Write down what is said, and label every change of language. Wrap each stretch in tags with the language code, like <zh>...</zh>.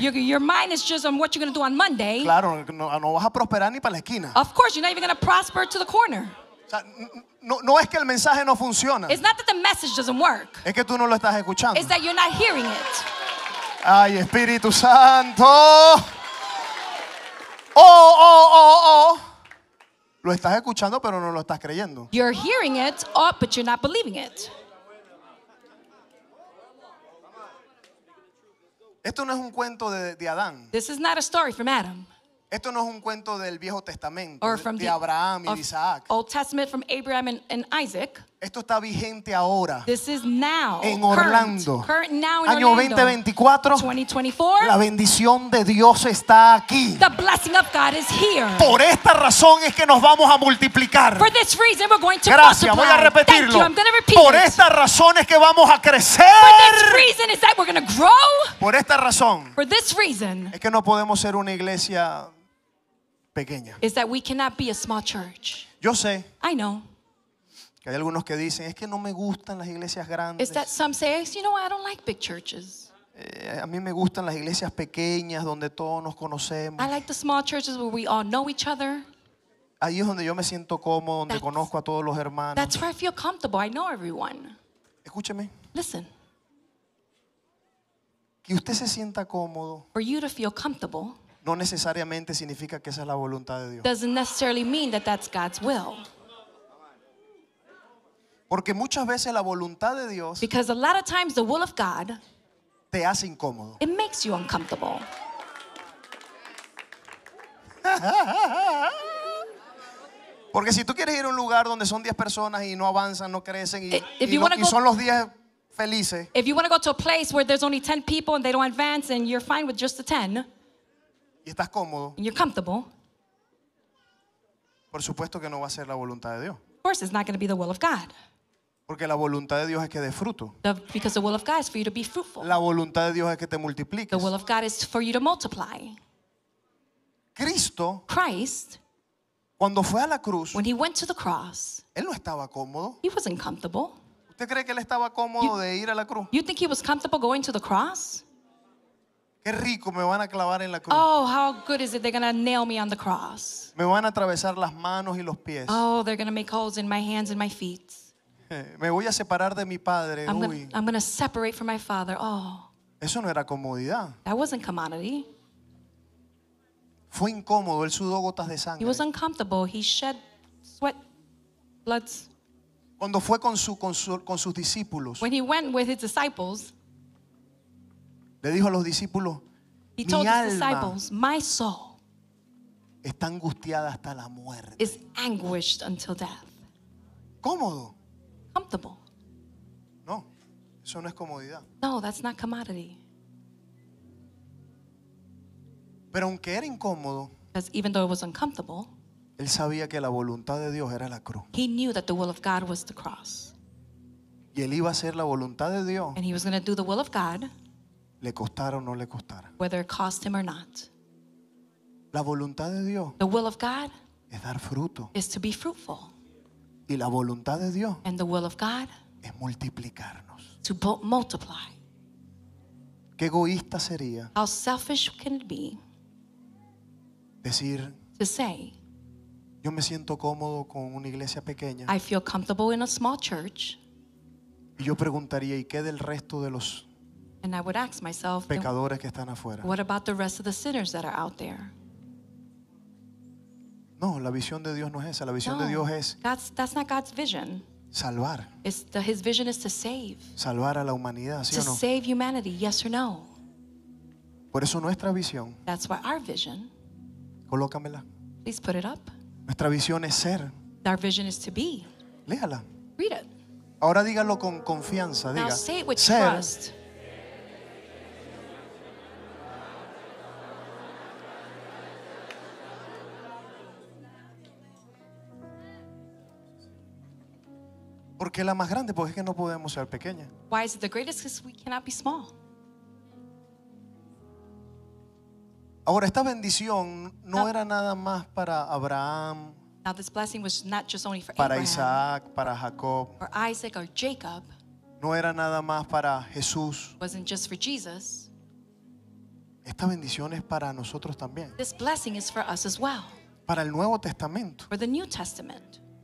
<en>Your mind is just on what you're going to do on Monday.</en> <es>Claro, no vas a prosperar ni para la esquina.</es> <en>Of course, you're not even going to prosper to the corner.</en> <es>O sea, no es que el mensaje no funciona.</es> <en>It's not that the message doesn't work.</en> <es>Es que tú no lo estás escuchando.</es> <en>It's that you're not hearing it.</en> <es>Ay, Espíritu Santo. Oh, oh, oh, oh. Lo estás escuchando, pero no lo estás creyendo.</es> <en>You're hearing it, but you're not believing it.</en> <es>Esto no es un cuento de Adán.</es> <en>This is not a story from Adam.</en> <es>Esto no es un cuento del Viejo Testamento.</es> <en>Or from</en> <es>de Abraham y Isaac.</es> <en>Old Testament from Abraham and Isaac.</en> <es>Esto está vigente ahora.</es> <en>This is now.</en> <es>En Orlando.</es> <en>Current now in</en> <es>Año</es> <en>Orlando.</en> <es>2024.</es> <en>2024.</en> <es>La bendición de Dios está aquí.</es> <en>The blessing of God is here.</en> <es>Por esta razón es que nos vamos a multiplicar.</es> <en>For this reason we're going to</en> <es>Gracias,</es> <en>multiply.</en> <es>Voy a repetirlo.</es> <en>Thank you, I'm going to repeat</en> <es>Por</es> <en>it.</en> <es>Esta razón es que vamos a crecer.</es> <en>For this reason is that we're going to grow.</en> <es>Por esta razón.</es> <en>For this reason.</en> <es>Es que no podemos ser una iglesia pequeña.</es> <en>Is that we cannot be a small church.</en> <es>Yo sé.</es> <en>I know.</en> <es>Que hay algunos que dicen, es que no me gustan las iglesias grandes.</es> <en>Is that some say, you know, I don't like big churches.</en> <es>A mí me gustan las iglesias pequeñas donde todos nos conocemos.</es> <en>I like the small churches where we all know each other.</en> <es>Ahí es donde yo me siento cómodo, donde conozco a todos los hermanos.</es> <en>That's where I feel comfortable. I know everyone.</en> <es>Escúcheme.</es> <en>Listen.</en> <es>Que usted se sienta cómodo.</es> <en>For you to feel comfortable.</en> <es>No necesariamente significa que esa es la voluntad de Dios.</es> <en>Doesn't necessarily mean that that's God's will.</en> <es>Porque muchas veces la voluntad de Dios</es> <en>Because a lot of times the will of God</en> <es>te hace incómodo.</es> <en>It makes you uncomfortable.</en> <es>Porque si tú quieres ir a un lugar donde son 10 personas y no avanzan, no crecen y son los 10 felices.</es> <en>If you want to go to a place where there's only 10 people and they don't advance and you're fine with just the 10</en> <es>y estás cómodo.</es> <en>And you're comfortable.</en> <es>Por supuesto que no va a ser la voluntad de Dios.</es> <en>Of course it's not going to be the will of God.</en> <es>Porque la voluntad de Dios es que dé fruto.</es> <en>Because the will of God is for you to be fruitful.</en> <es>La voluntad de Dios es que te multipliques.</es> <en>The will of God is for you to multiply.</en> <es>Cristo,</es> <en>Christ,</en> <es>cuando fue a la cruz,</es> <en>when he went to the cross,</en> <es>él no estaba cómodo.</es> <en>He wasn't comfortable.</en> <es>¿Usted cree que él estaba cómodo de ir a la cruz?</es> <en>You think he was comfortable going to the cross?</en> <es>Qué rico, me van a clavar en la cruz.</es> <en>Oh, how good is it they're going to nail me on the cross.</en> <es>Me van a atravesar las manos y los pies.</es> <en>Oh, they're going to make holes in my hands and my feet.</en> <es>Me voy a separar de mi padre.</es> <en>I'm going to separate from my father. Oh.</en> <es>Eso no era comodidad.</es> <en>That wasn't commodity.</en> <es>Fue incómodo. Él sudó gotas de sangre.</es> <en>He was uncomfortable. He shed sweat, bloods.</en> <es>Cuando fue con sus discípulos.</es> <en>When he went with his disciples.</en> <es>Le dijo a los discípulos.</es> <en>He told his disciples, my soul.</en> <es>Está angustiada hasta la muerte.</es> <en>Is anguished until death.</en> <es>Cómodo.</es> <en>Comfortable.</en> <es>No, eso no es comodidad.</es> <en>No, that's not commodity.</en> <es>Pero aunque era incómodo,</es> <en>because even though it was uncomfortable,</en> <es>él sabía que la voluntad de Dios era la cruz.</es> <en>He knew that the will of God was the cross.</en> <es>Y él iba a hacer la voluntad de Dios.</es> <en>And he was going to do the will of God.</en> <es>le costara o no le costara.</es> <en>Whether it cost him or not.</en> <es>La voluntad de Dios.</es> <en>The will of God.</en> <es>Es dar fruto.</es> <en>Is to be fruitful.</en> <es>Y la voluntad de Dios.</es> <en>And the will of God.</en> <es>Es multiplicarnos.</es> <en>To multiply.</en> <es>Qué egoísta sería.</es> <en>How selfish can it be.</en> <es>Decir.</es> <en>To say.</en> <es>Yo me siento cómodo con una iglesia pequeña.</es> <en>I feel comfortable in a small church.</en> <es>Y yo preguntaría, ¿y qué del resto de los pecadores que están afuera?</es> <en>What about the rest of the sinners that are out there?</en> <es>No, la visión de Dios no es esa. La visión de Dios es</es> <en>that's not God's vision.</en> <es>Salvar.</es> <en>His vision is to save.</en> <es>Salvar a la humanidad, ¿sí o no?</es> <en>To save humanity, yes or no.</en> <es>Por eso nuestra visión.</es> <en>That's why our vision.</en> <es>Colócamela.</es> <en>Please put it up.</en> <es>Nuestra visión es ser.</es> <en>Our vision is to be.</en> <es>Léala.</es> <en>Read it.</en> <es>Ahora dígalo con confianza. Diga,</es> <en>now say it with</en> <es>ser.</es> <en>Trust.</en> <es>¿Por qué la más grande? Porque es que no podemos ser pequeña.</es> <en>Why is it the greatest? Because we cannot be small.</en> <es>Ahora, esta bendición no era nada más para Abraham.</es> <en>Now this blessing was not just only for</en> <es>para</es> <en>Abraham,</en> <es>Isaac, para Jacob,</es> <en>or Isaac or Jacob.</en> <es>No era nada más para Jesús.</es> <en>Wasn't just for Jesus.</en> <es>Esta bendición es para nosotros también.</es> <en>This blessing is for us as well.</en> <es>Para el Nuevo Testamento.</es> <en>For the New Testament.</en>